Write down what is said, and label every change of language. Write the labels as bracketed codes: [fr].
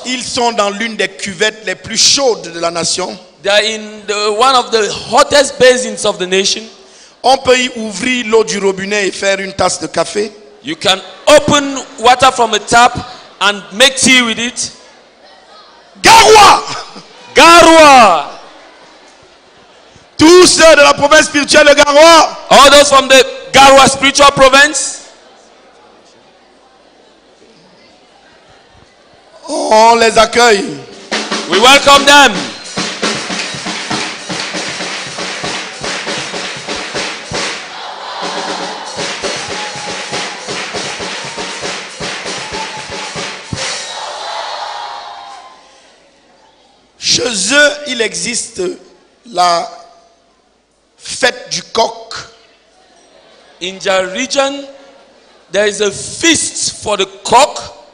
[fr] ils sont dans l'une des cuvettes les plus chaudes de la nation. [en] They are in the, one of the hottest basins of the nation. [fr] On peut y ouvrir l'eau du robinet et faire une tasse de café. [en] You can open water from a tap and make tea with it. [fr] Garoua, [en] Garoua. [fr] Tous ceux de la province spirituelle de Garoua. [en] All those from the Garoua spiritual province. [fr] On les accueille. [en] We welcome them. [fr] Chez eux, il existe la fête du coq. [en] In their region, there is a feast for the cock.